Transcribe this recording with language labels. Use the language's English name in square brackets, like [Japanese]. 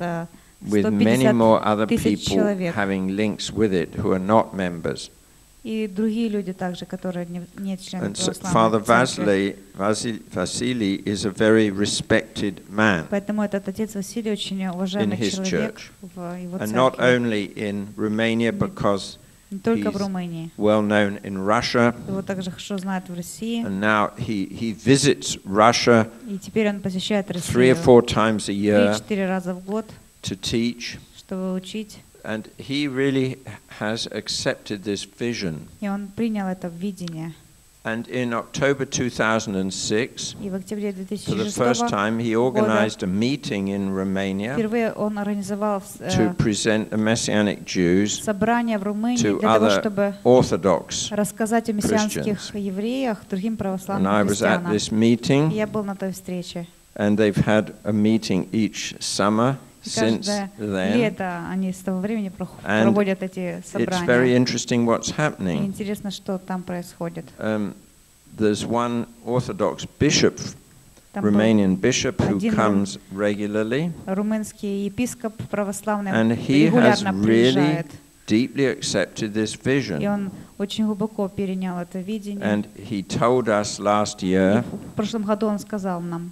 [English] with many more other people having links with it who are not members. [Russian] И другие люди также, которые не члены. [English] And so Father Василий is a very respected man. [Russian] Поэтому этот отец Василий очень уважаемый человек в его церкви. [English] And not only in Romania, because he's well known in Russia. [Russian] Его также хорошо знают в России. [English] And now he visits Russia. [Russian] И теперь он посещает Россию. [English] 3 or 4 times a year. [Russian] 3-4 раза в год. [English] To teach, [Russian] чтобы учить, [English] and he really has accepted this vision. [Russian] И он принял это видение. [English] And in October 2006, [Russian] и в октябре 2006 [English] for the first time, he organized a meeting in Romania. [Russian] Впервые он организовал [English] to present the Messianic Jews [Russian] собрание в Румынии [English] to other Orthodox Christians. [Russian] Рассказать о мессианских евреях другим православным христианам. [English] And I was at this meeting. [Russian] Я был на той встрече. [English] And they've had a meeting each summer. Since then, [Russian] они с того времени проводят эти собрания. [English] It's very interesting what's happening. [Russian] Интересно, что там происходит. [English] There's one Orthodox bishop, Romanian bishop, who comes regularly. [Russian] Румынский епископ православный. [English] And he has really deeply accepted this vision. [Russian] И он очень глубоко перенял это видение. [English] And he told us last year. [Russian] В прошлом году он сказал нам.